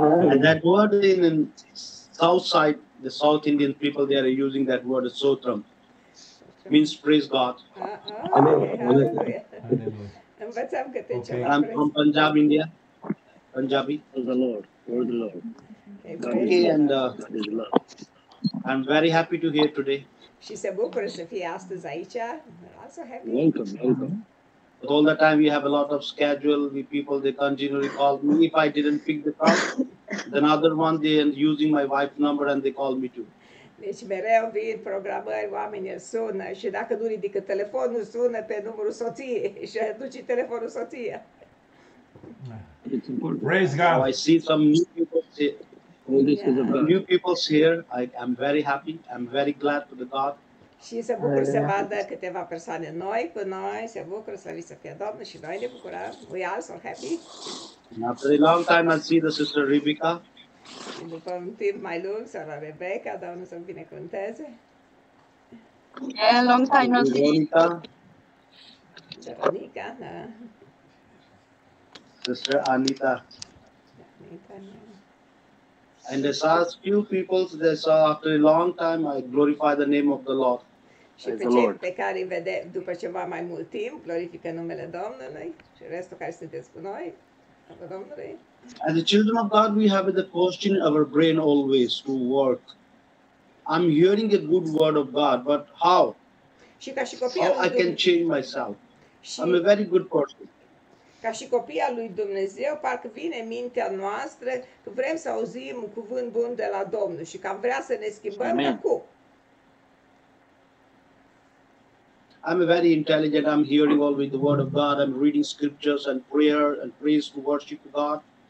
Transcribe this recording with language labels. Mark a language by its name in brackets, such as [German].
[English] And that word in south side, the South Indian people, they are using that word Sotram. Means praise God. Amen, amen. Okay. I'm from Punjab, India. Punjabi. For the Lord. For the Lord. Okay, and I'm very happy to hear today. [Romanian] Și se bucură să fie astăzi aici. [English] Also happy. Welcome, welcome. But all the time we have a lot of schedule. We people, they continually call me. If I didn't pick the call, then other one, they are using my wife's number and they call me too. [Romanian] Deci mereu vin programări, oamenii sună și dacă nu ridică telefonul, sună pe numărul soției și aduce telefonul soției. [English] Praise God. So I see some new people say, yeah. New people's here. I'm very happy. I'm very glad for the God. [Romanian] Și se bucur să vadă câteva persoane noi cu noi. Se bucur să vii să fie Domnul și noi ne bucurăm. [English] We also happy. After a long time, I see the sister Rebecca. [Romanian] Și după un timp mai lung, sora Rebecca, Domnul să-mi binecuvânteze. [English] Yeah, long time no see. Veronica. [Romanian] Veronica, da. [English] Sister Anita. Anita, yeah. And I saw a few people, they saw after a long time, I glorify the name of the Lord. [Romanian] Și pe cei pe care îi vede după ceva mai mult timp, glorifică numele Domnului și restul care sunteți cu noi, după Domnului. [English] As the children of God, we have the question in our brain always to work. I'm hearing a good word of God, but how? [Romanian] Și ca și copii [English] how I can change myself? I'm a very good person. [Romanian] Ca și copii al lui Dumnezeu, parcă vine mintea noastră că vrem să auzim un cuvânt bun de la Domnul și că am vrea să ne schimbăm acum. [English] I'm a very intelligent, I'm hearing all with the word of God, I'm reading scriptures and prayer and praise to worship God.